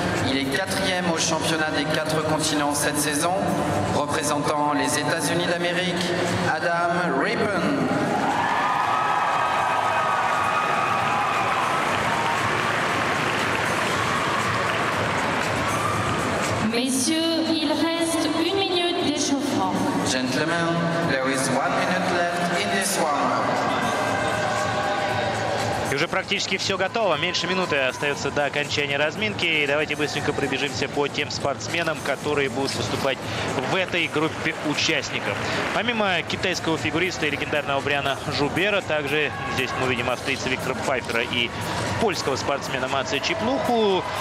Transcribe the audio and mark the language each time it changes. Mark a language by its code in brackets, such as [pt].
[fr] Il est quatrième au championnat des quatre continents cette saison, représentant les États-Unis d'Amérique, Adam Rippon. Messieurs, il reste 1 minute d'échauffement. [en] Gentlemen, there is 1 minute left in this one. [ru] И уже практически все готово. Меньше минуты остается до окончания разминки. И давайте быстренько пробежимся по тем спортсменам, которые будут выступать в этой группе участников. Помимо китайского фигуриста и легендарного Бриана Жубера, также здесь мы видим австрийца Виктора Пфайфера и польского спортсмена Мацея Чеплуху.